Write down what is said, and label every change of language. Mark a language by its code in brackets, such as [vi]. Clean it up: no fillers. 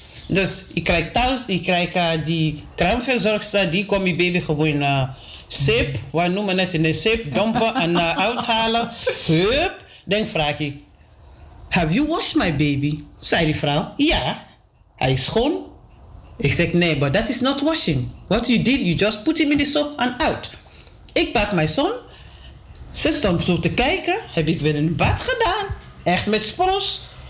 [nl] Dus ik krijg thuis, ik krijg die kraamverzorgster, die kom je baby gewoon sip, wat noemen we het in de sip, dompen en uithalen. Hup, dan vraag ik, [en] have you washed my baby? [nl] Zei die vrouw, ja, hij is schoon. Ik zeg, nee, [en] but that is not washing. What you did, you just put him in the soap and out. [nl] Ik pak mijn zoon, ze stond zo te kijken, heb ik weer een bad gedaan, echt met spons.